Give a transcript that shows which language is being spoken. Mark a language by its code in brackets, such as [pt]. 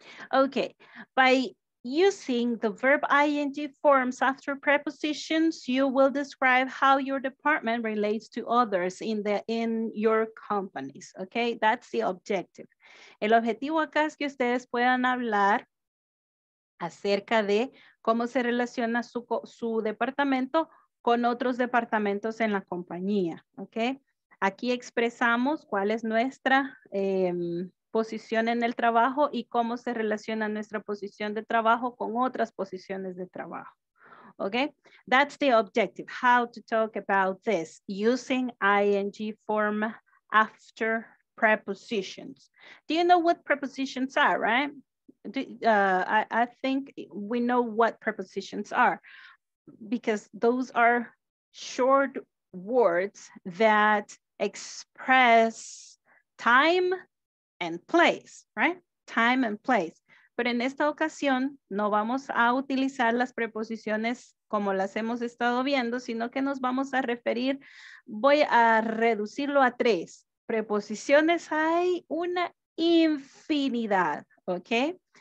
[en] Okay, by using the verb ING forms after prepositions, you will describe how your department relates to others in your companies, okay? That's the objective. [es] El objetivo acá es que ustedes puedan hablar acerca de cómo se relaciona su departamento con otros departamentos en la compañía, ¿ok? Aquí expresamos cuál es nuestra posición en el trabajo y cómo se relaciona nuestra posición de trabajo con otras posiciones de trabajo, ¿ok? [en] That's the objective, how to talk about this using ING form after prepositions. Do you know what prepositions are, right? I think we know what prepositions are because those are short words that express time and place, right? Time and place. [es] Pero en esta ocasión no vamos a utilizar las preposiciones como las hemos estado viendo, sino que nos vamos a referir, voy a reducirlo a tres. Preposiciones hay una infinidad, ¿ok?